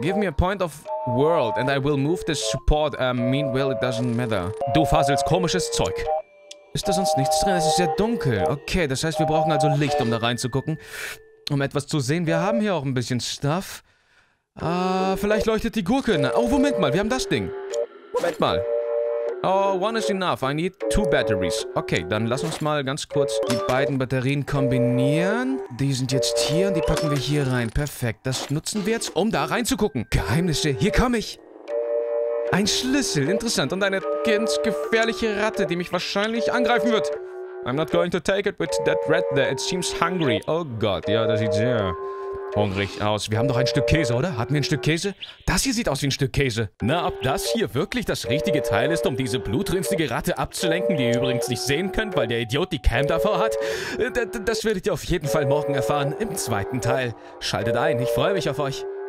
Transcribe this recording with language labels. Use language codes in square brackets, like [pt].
[en] Give me a point of world and I will move this support. Meanwhile, it doesn't matter. [de] Du faselst komisches Zeug. Ist da sonst nichts drin? Es ist sehr dunkel. Okay, das heißt, wir brauchen also Licht, um da reinzugucken. Um etwas zu sehen. Wir haben hier auch ein bisschen Stuff. Vielleicht leuchtet die Gurke. Oh, Moment mal, wir haben das Ding. Moment mal. [en] Oh, one is enough. I need two batteries. [de] Okay, dann lass uns mal ganz kurz die beiden Batterien kombinieren. Die sind jetzt hier und die packen wir hier rein. Perfekt. Das nutzen wir jetzt, um da reinzugucken. Geheimnisse. Hier komme ich. Ein Schlüssel, interessant. Und eine ganz gefährliche Ratte, die mich wahrscheinlich angreifen wird. [en] I'm not going to take it with that rat there. It seems hungry. [de] Oh Gott, ja, das sieht sehr hungrig aus. Wir haben doch ein Stück Käse, oder? Hatten wir ein Stück Käse? Das hier sieht aus wie ein Stück Käse. Na, ob das hier wirklich das richtige Teil ist, um diese blutrünstige Ratte abzulenken, die ihr übrigens nicht sehen könnt, weil der Idiot die Cam davor hat? Das werdet ihr auf jeden Fall morgen erfahren, im zweiten Teil. Schaltet ein, ich freue mich auf euch.